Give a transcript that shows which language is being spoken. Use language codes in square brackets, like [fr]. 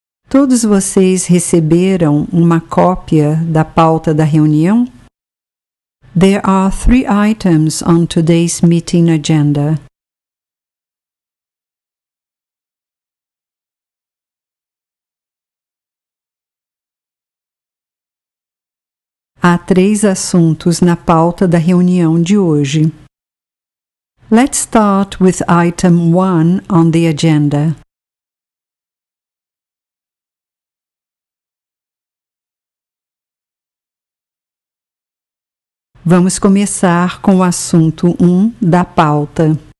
[pt] Todos vocês receberam uma cópia da pauta da reunião? [en] There are three items on today's meeting agenda. [pt] Há três assuntos na pauta da reunião de hoje. [en] Let's start with item one on the agenda. [pt] Vamos começar com o assunto 1 da pauta.